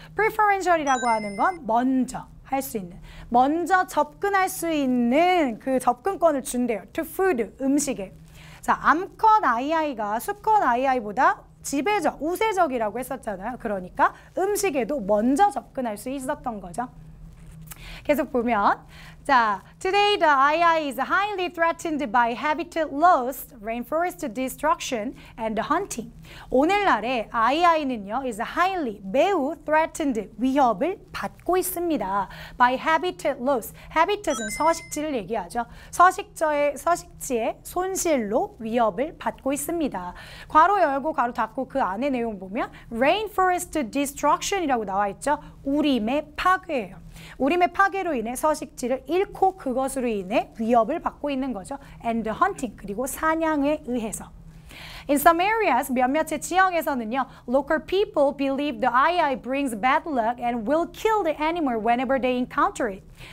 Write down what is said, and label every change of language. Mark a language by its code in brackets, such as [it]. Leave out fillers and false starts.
[ko] Preferential이라고 하는 건 먼저 할 수 있는, 먼저 접근할 수 있는 그 접근권을 준대요. [en] To food, [ko] 음식에. 자, 암컷 아이아이가 수컷 아이아이보다 지배적, 우세적이라고 했었잖아요. 그러니까 음식에도 먼저 접근할 수 있었던 거죠. 계속 보면, 자, [en] Today the aiai is highly threatened by habitat loss, rainforest destruction, and hunting. [ko] 오늘날에 aiai는요, [en] is highly, [ko] 매우 threatened, 위협을 받고 있습니다. [en] By habitat loss. [ko] Habitat은 서식지를 얘기하죠. 서식지의 손실로 위협을 받고 있습니다. 괄호 열고 괄호 닫고 그 안에 내용 보면 rainforest destruction이라고 나와 있죠. 우림의 파괴예요. 우림의 파괴로 인해 서식지를 잃고 그것으로 인해 위협을 받고 있는 거죠. [en] And hunting, [ko] 그리고 사냥에 의해서. [en] In some areas, [ko] 몇몇 지역에서는요, [en] local people believe the aiai brings bad luck and will kill the animal whenever they encounter it.